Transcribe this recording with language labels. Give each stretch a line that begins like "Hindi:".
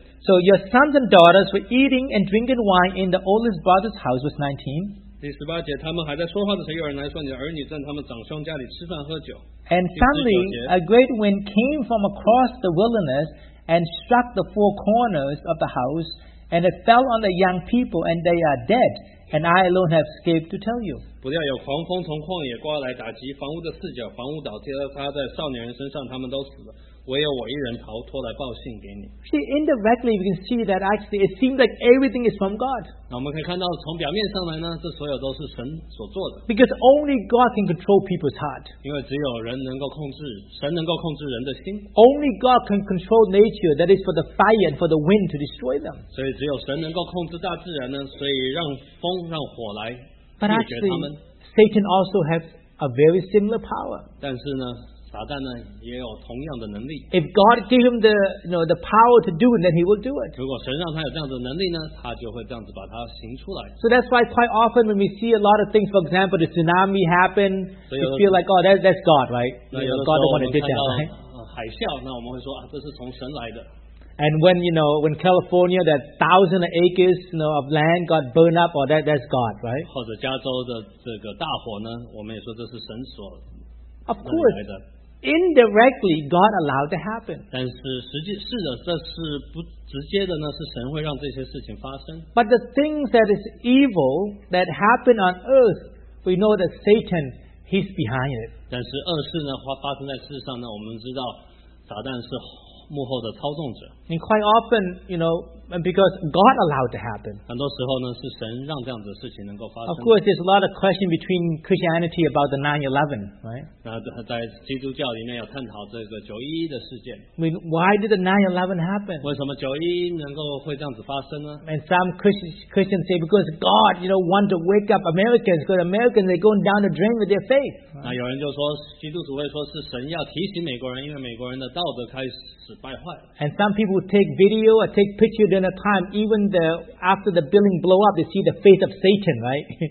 English: So your sons and daughters were eating and drinking wine in the oldest brother's house. Verse 19.
Chinese: 第十八节，他们还在说话的时候，有人来说你的儿女在他们长兄家里吃饭喝酒。
English: And suddenly, a great wind came from across the wilderness and struck the four corners of the house, and it fell on the young people, and they are dead, and I alone have escaped to tell you.
Chinese: 不料有狂风从旷野刮来，打击房屋的四角，房屋倒地，而他在少年人身上，他们都死了。
English: See, indirectly we can see that actually it seems like everything is from God. Because only God can control people's heart. Only God can control nature, that is for the fire and for the wind to destroy them. But actually, Satan also has a very similar power.
Chinese: 但是呢, 撒旦呢,
English: if God gave him the, you know, the power to do it, then he will do it.
Chinese: 如果神让他有这样的能力呢,
English: so that's why quite often when we see a lot of things, for example, the tsunami happen, we feel like, oh, that's God, right? You know, God the one who did that, right?
Chinese: 海啸, 那我们会说, 啊, 这是从神来的。
English: And when, you know, when California, that 1,000 acres, you know, of land got burned up, or that's God, right?
Chinese: 或者加州的这个大火呢, 我们也说这是神所,
English: of course, indirectly, God allowed to happen.
Chinese: 但是实际,
English: but the things that is evil that happen on earth, we know that Satan, he's behind it.
Chinese: 但是恶事呢, 发生在世上呢, 我们知道撒旦是 幕后的操纵者.
English: And quite often, you know, because God allowed it to happen.
Chinese: 很多时候呢,
English: of course, there's a lot of question between Christianity about the 9/11, right?
Chinese: 在基督教里面有探讨这个911的事件.
English: I mean, why did the 9/11 happen?
Chinese: 为什么911能够会这样子发生呢?
English: And some Christians say, because God, you know, want to wake up Americans, because Americans, they're going down the drain with their faith.
Chinese: 那有人就说, 基督主会说是神要提醒美国人, 因为美国人的道德开始
English: And some people take video or take picture during a time, even the after the building blow up, they see the face of Satan, right?